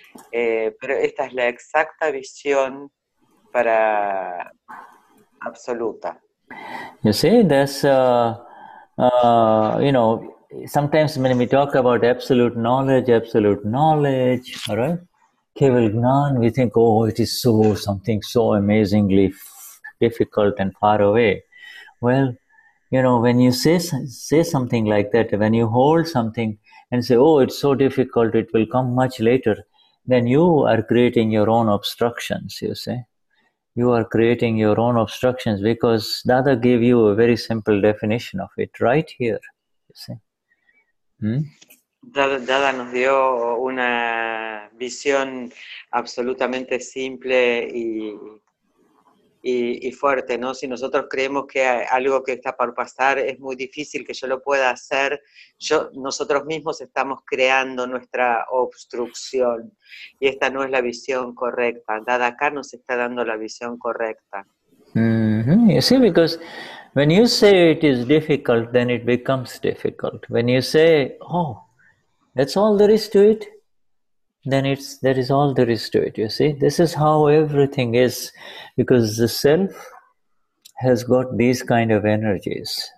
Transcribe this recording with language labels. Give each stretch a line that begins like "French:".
Spanish: Pero esta es la exacta visión para absoluta.
English: You see, there's, you know, sometimes when we talk about absolute knowledge, all right? Keval Gnan, we think, oh, it is so, something so amazingly difficult and far away. Well, you know, when you say something like that, when you hold something and say, oh, it's so difficult, it will come much later, then you are creating your own obstructions, you see. You are creating your own obstructions because Dada gave you a very simple definition of it right here, you see.
Spanish: Dada nos dio una visión absolutamente simple y fuerte, ¿no? Si nosotros creemos que algo que está por pasar es muy difícil que yo lo pueda hacer, nosotros mismos estamos creando nuestra obstrucción. Y esta no es la visión correcta. Dada acá nos está dando la visión correcta.
English: You see, because when you say it is difficult, then it becomes difficult. When you say, oh, that's all there is to it, then that is all there is to it, you see. This is how everything is, because the self has got these kind of energies.